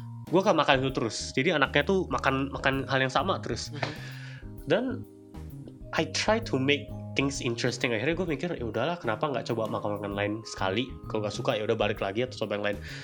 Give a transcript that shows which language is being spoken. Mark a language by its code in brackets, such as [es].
[id] Gue kan makan itu terus, jadi anaknya tuh makan hal yang sama terus. [en] Dan I try to make things interesting. [id] Akhirnya gue mikir, ya udahlah, kenapa nggak coba makan-makan lain sekali? Kalau nggak suka ya udah balik lagi atau coba yang lain.